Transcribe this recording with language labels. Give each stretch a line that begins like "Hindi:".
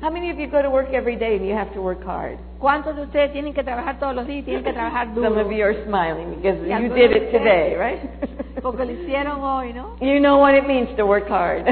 English: How many of you go to work every day and you have to work hard?
Spanish: ¿Cuántos de ustedes tienen que trabajar todos los días y tienen que trabajar duro?
English: Some of you are smiling because you did it today, right?
Spanish: Porque lo hicieron hoy, ¿no?
English: You know what it means to work hard.